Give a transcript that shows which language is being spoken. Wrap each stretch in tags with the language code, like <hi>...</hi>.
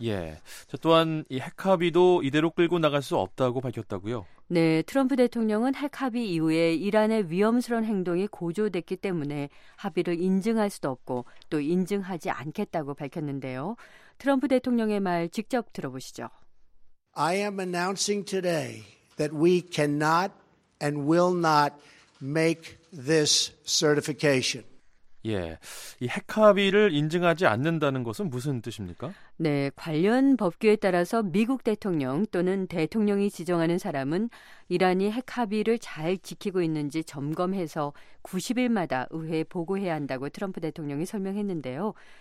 <ko>예, 저 또한 이 핵합의도 이대로 끌고 나갈 수 없다고 밝혔다고요? 네, 트럼프 대통령은 핵합의 이후에 이란의 위험스러운 행동이 고조됐기 때문에 합의를 인증할 수도 없고 또 인증하지 않겠다고 밝혔는데요. 트럼프 대통령의 말 직접 들어보시죠.</ko> <en>I am announcing today that we cannot and will not make this certification.</en> <ko>예, 이 핵 합의를 인증하지 않는다는 것은 무슨 뜻입니까? 네, 관련 법규에 따라서 미국 대통령 또는 대통령이 지정하는 사람은 이란이 핵 합의를 잘 지키고 있는지 점검해서 90일마다 의회에 보고해야 한다고 트럼프 대통령이 설명했는데요.</ko>